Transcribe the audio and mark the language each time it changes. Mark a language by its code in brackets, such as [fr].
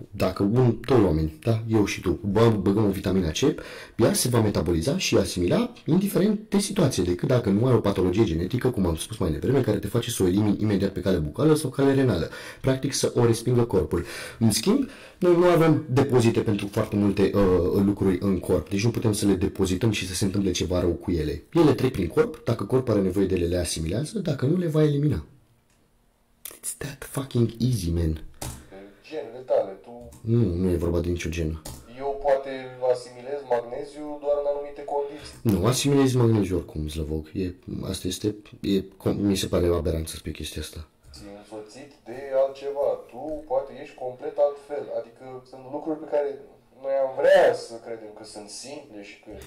[ro] Dacă un tot oameni, da, eu și tu, băgăm o vitamina C, ea se va metaboliza și asimila indiferent de situație, decât dacă nu ai o patologie genetică, cum am spus mai devreme, care te face să o elimini imediat pe cale bucală sau cale renală. Practic să o respingă corpul. În schimb, noi nu avem depozite pentru foarte multe lucruri în corp, deci nu putem să le depozităm și să se întâmple ceva rău cu ele. Ele trec prin corp, dacă corpul are nevoie de ele, le asimilează, dacă nu, le va elimina. [en] It's that fucking easy, man. [ro] Genele tale, tu... Nu e vorba de nicio genă. Eu poate asimilez magneziu doar în anumite condiții. Nu, asimilez magneziu oricum, Slavoc. Asta este... mi se pare aberant să spui chestia asta. Ți-e însoțit de altceva. Tu poate ești complet altfel. Adică sunt lucruri pe care noi am vrea să credem că sunt simple și că...